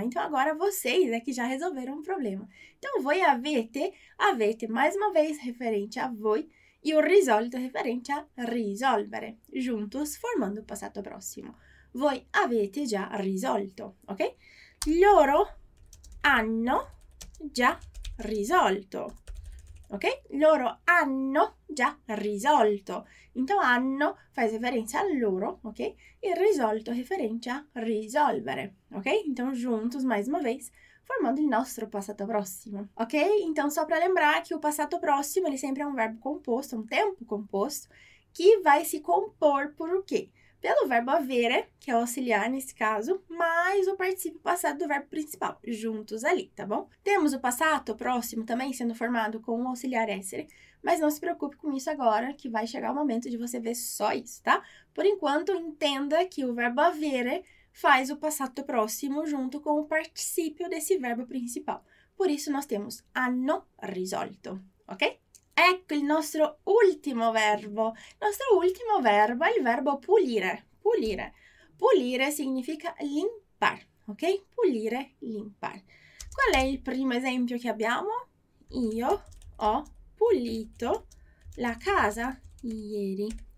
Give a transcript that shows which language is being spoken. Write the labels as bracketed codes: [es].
[pt] Então, agora vocês é que já resolveram o problema. Então, [it] voi avete, avete, [pt] mais uma vez, referente a voi, e o risolto referente a risolvere, juntos formando o passato prossimo. [it] Voi avete già risolto, ok? Loro hanno già risolto, ok? Loro hanno già risolto. Então, hanno fa riferimento a loro, ok? [pt] E risolto referente a risolvere, ok? Então, juntos, mais uma vez, formando [it] il nostro passato prossimo, [pt] ok? Então, só para lembrar que o passato prossimo, ele sempre é um verbo composto, um tempo composto, que vai se compor por o quê? Pelo verbo avere, que é o auxiliar nesse caso, mais o participio passado do verbo principal, juntos ali, tá bom? Temos o passato próximo também sendo formado com o auxiliar essere, mas não se preocupe com isso agora, que vai chegar o momento de você ver só isso, tá? Por enquanto, entenda que o verbo avere faz o passato próximo junto com o participio desse verbo principal. Por isso, nós temos [it] hanno risolto, [pt] ok? [it] Ecco il nostro ultimo verbo. Nostro ultimo verbo è il verbo pulire. Pulire. Pulire significa limpar, ok? Pulire, limpar. Qual è il primo esempio che abbiamo? Io ho pulito la casa ieri.